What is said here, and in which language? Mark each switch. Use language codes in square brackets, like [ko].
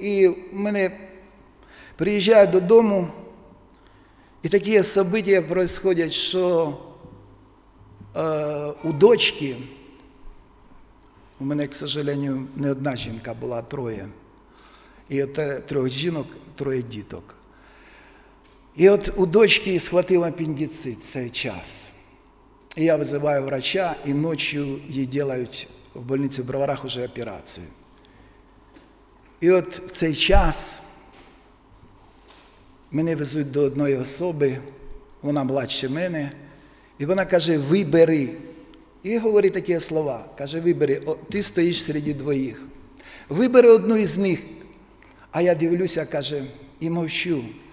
[uk] І мене приїжджає додому, і такі события відбуваються, що у дочки, у мене, [ru] к сожалению, [uk] не одна жінка була, а троє. І от трьох жінок, троє діток. І от у дочки схватив апендицит цей час. [ru] И я вызываю врача, и ночью ей делают в больнице в Броварах уже операции. [uk] И вот в цей час мене везуть до одної особи, вона младше мене, і вона каже: «Вибери». І говорить такі слова, каже: «Вибери, о, ти стоїш серед двоїх. Вибери одну із них». А я дивлюся, каже, і мовчу.